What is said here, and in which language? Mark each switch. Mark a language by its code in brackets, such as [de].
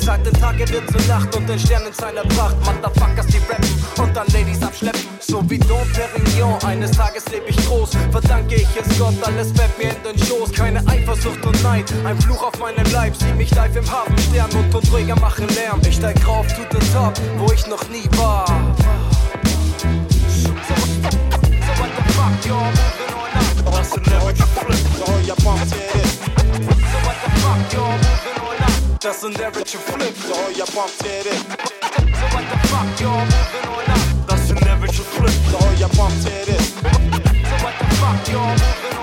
[de] Ich sag, den Tag wird zur Nacht und den Stern in seiner Pracht. Motherfuckers, die rappen und dann Ladies abschleppen. So wie Dom Perignon, eines Tages leb ich groß. Verdanke ich es Gott, alles fällt mir in den Schoß. Keine Eifersucht und Neid, ein Fluch auf meinem Leib. Sieh mich live im Hafenstern und Tonträger machen Lärm. Ich steig rauf [en] to the top, [de] wo ich noch nie war. [en] So what the fuck, yo, moving on up. [de] Das sind Average und Flip, oh ja, [en] bump it in. So what the fuck, yo, moving on up. [de] Das sind Average und Flip, oh ja, [en] bump it in. So what the fuck, yo, moving on up. [de] Das sind Average und Flip, oh ja, [en] bump it in. So what the fuck, yo, moving on up.